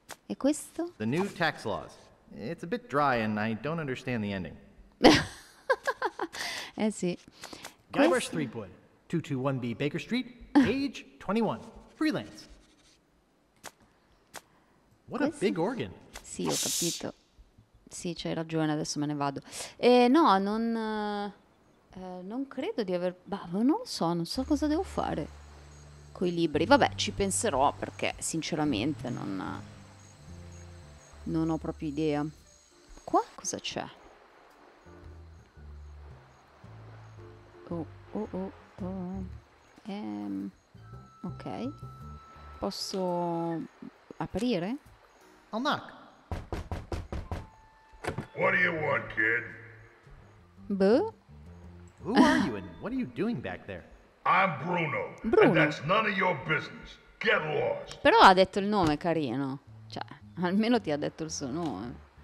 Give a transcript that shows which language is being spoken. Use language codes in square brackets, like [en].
[it] E questo? [en] The new tax laws. It's a bit dry and I don't understand the ending. [it] Eh sì. [en] Guy Rush Threepwood, 221B Baker Street, age 21, freelance. What a big organ. [it] Sì, ho capito. Sì, c'hai ragione, adesso me ne vado. No, non... non credo di aver... Bah, non so cosa devo fare coi libri. Vabbè, ci penserò, perché sinceramente non ho proprio idea. Qua cosa c'è? Ok. Posso aprire? [en] I'll knock. What do you want, kid? Boo? Who are you and what are you doing back there? I'm Bruno. Bruno. And that's none of your business. Get lost. [it] Però ha detto il nome, carino. Cioè, almeno ti ha detto il suo nome.